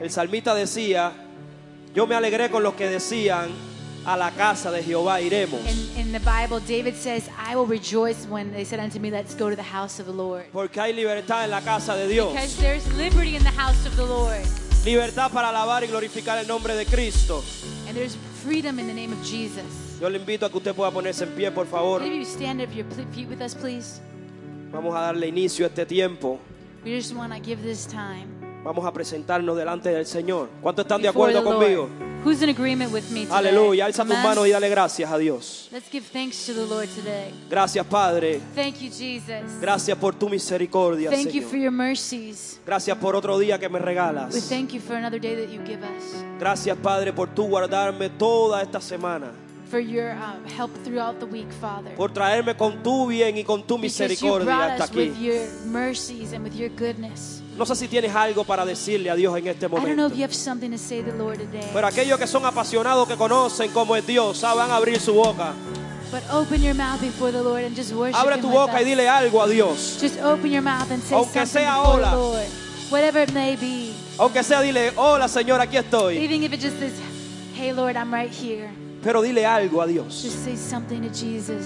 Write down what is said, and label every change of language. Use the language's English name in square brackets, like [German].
[Spanish] El salmista decía, yo me alegré con los que decían, a la casa de Jehová iremos. [English] In the Bible, David says, I will rejoice when they said unto me, let's go to the house of the Lord. [Spanish] Porque hay libertad en la casa de Dios. [English] Because there's liberty in the house of the Lord. [Spanish] Libertad para alabar y glorificar el nombre de Cristo. [English] And there's freedom in the name of Jesus. [Spanish] Yo le invito a que usted pueda ponerse en pie, por favor. [English] Maybe you stand up your feet with us, please. [Spanish] Vamos a darle inicio a este tiempo. [English] We just want to give this time. [Spanish] Vamos a presentarnos delante del Señor. ¿Cuántos están de acuerdo conmigo? [English] Who's in agreement with me today? [Spanish] Aleluya. Alza tus manos y dale gracias a Dios. [English] Let's give thanks to the Lord today. [Spanish] Gracias, Padre. [English] Thank you, Jesus. [Spanish] Gracias por tu misericordia, [English] thank [Spanish] Señor. [English] Thank you for your mercies. [Spanish] Gracias por otro día que me regalas. [English] We thank you for another day that you give us. [Spanish] Gracias, Padre, por tu guardarme toda esta semana. [English] For your help throughout the week, Father. [Spanish] Por traerme con tu bien y con tu misericordia hasta aquí. [English] Because you brought us with your mercies and with your goodness. [Spanish] No sé si tienes algo para decirle a Dios en este momento. [English] I don't know if you have something to say to the Lord today. [Spanish] Pero aquellos que son apasionados, que conocen cómo es Dios, saben abrir su boca. [English] But open your mouth before the Lord and just worship. [Spanish] Abre tu boca y dile algo a Dios. [English] Just open your mouth and say [Spanish] aunque sea [English] before [Spanish] hola. [English] The Lord. Whatever it may be. [Spanish] Aunque sea, dile, hola, Señor, aquí estoy. [English] Even if it just says, hey Lord, I'm right here. [Spanish] Pero dile algo a Dios. [English] Just say something to Jesus.